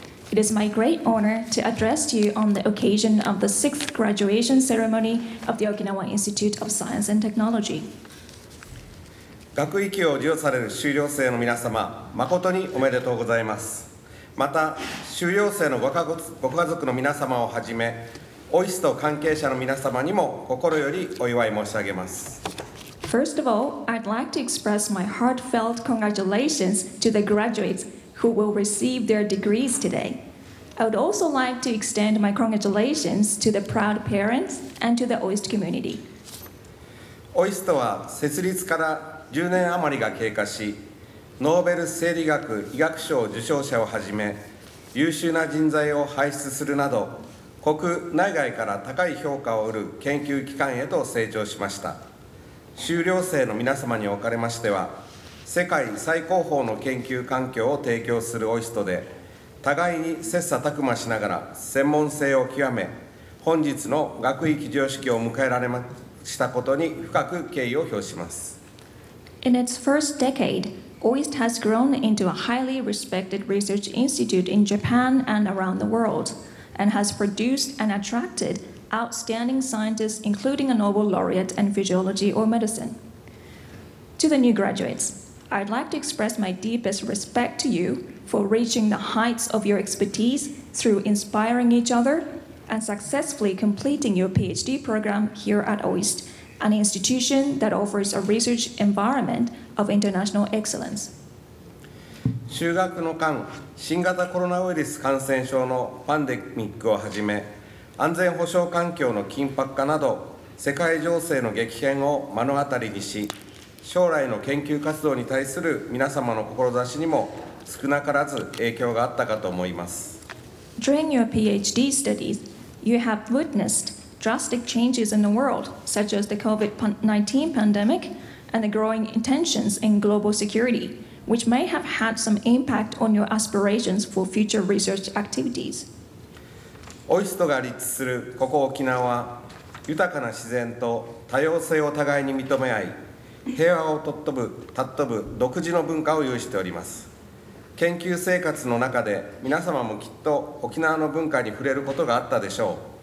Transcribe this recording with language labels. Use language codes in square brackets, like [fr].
[en] It is my great honor to address you on the occasion of the 6th graduation ceremony of the Okinawa Institute of Science and Technology. [ja] 学域を授与される修了生の皆様、誠におめでとうございます。また、修了生のご家族の皆様をはじめ、OIST 関係者の皆様にも心よりお祝い申し上げます。 [en] First of all, I'd like to express my heartfelt congratulations to the graduates. Who will receive their degrees today? I would also like to extend my congratulations to the proud parents and to the OIST community. [ja] OIST は設立から10年余りが経過し、ノーベル生理学・医学賞受賞者をはじめ、優秀な人材を輩出するなど、国内外から高い評価を得る研究機関へと成長しました。修了生の皆様におかれましては、世界最高峰の研究環境を提供するOIST で、互いに切磋琢磨しながら専門性を極め、本日の学位授与式を迎えられましたことに深く敬意を表します。 [en] In its first decade, OIST has grown into a highly respected research institute in Japan and around the world, and has produced and attracted outstanding scientists, including a Nobel laureate in physiology or medicine. To the new graduates,I'd like to express my deepest respect to you for reaching the heights of your expertise through inspiring each other and successfully completing your PhD program here at OIST, an institution that offers a research environment of international excellence. [ja] 修学の間、新型コロナウイルス感染症のパンデミックをはじめ、安全保障環境の緊迫化など、世界情勢の激変を目の当たりにし、将来の研究活動に対する皆様の志にも少なからず影響があったかと思います。 [en] During your PhD studies, you have witnessed drastic changes in the world, such as the COVID-19 pandemic and the growing tensions in global security, which may have had some impact on your aspirations for future research activities. [ja] OIST が立地するここ沖縄は、豊かな自然と多様性を互いに認め合い、平和をとっとぶ、たっとぶ、独自の文化を有しております。研究生活の中で、皆様もきっと沖縄の文化に触れることがあったでしょう。